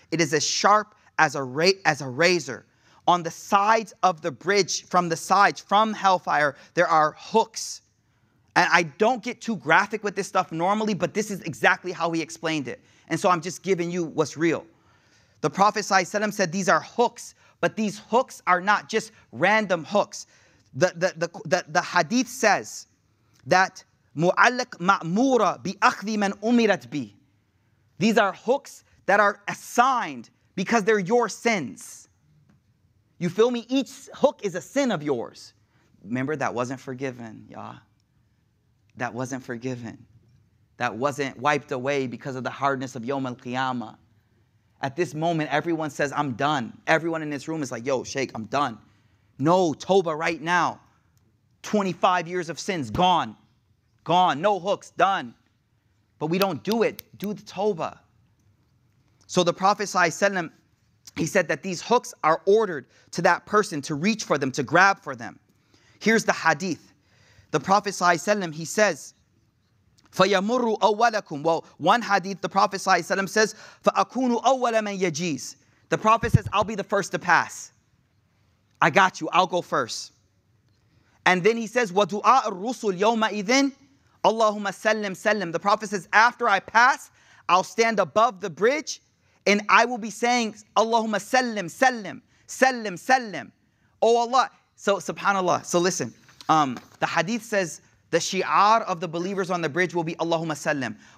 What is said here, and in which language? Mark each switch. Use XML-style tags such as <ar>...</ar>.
<en>It is as sharp as a razor. On the sides of the bridge, from the sides, from hellfire, there are hooks. And I don't get too graphic with this stuff normally, but this is exactly how he explained it. And so I'm just giving you what's real. The Prophet ﷺ said, these are hooks, but these hooks are not just random hooks. The hadith says that</en> <ar>مُعَلَّقْ مَأْمُورَ بِأَخْذِ مَنْ أُمِرَتْ بِ.</ar> <en>These are hooks that are assigned because they're your sins. You feel me? Each hook is a sin of yours. Remember, that wasn't forgiven, y'all. That wasn't forgiven. That wasn't wiped away because of the hardness of Yawm al-Qiyamah. At this moment, everyone says, I'm done. Everyone in this room is like, yo, Sheikh, I'm done. No, Toba right now. 25 years of sins, gone. Gone, no hooks, done. But we don't do it. Do the Toba. So the Prophet ﷺ said to him, he said that these hooks are ordered to that person to reach for them, to grab for them. Here's the hadith. The Prophet ﷺ, he says,</en> <ar>فَيَمُرُّ أَوَّلَكُمْ.</ar> <en>Well, one hadith, the Prophet ﷺ says,</en> <ar>فَأَكُونُ أَوَّلَ مَنْ يَجِيزُ.</ar> <en>The Prophet says, I'll be the first to pass. I got you, I'll go first. And then he says,</en> <ar>وَدُعَاءَ الرُّسُلْ يَوْمَ إِذٍ اللَّهُمَّ سَلِّمْ سَلِّمْ.</ar> <en>The Prophet says, after I pass, I'll stand above the bridge, and I will be saying, Allahumma sallim, sallim, sallim, sallim. Oh Allah. So subhanAllah. So listen, the hadith says the shi'ar of the believers on the bridge will be Allahumma sallim.</en>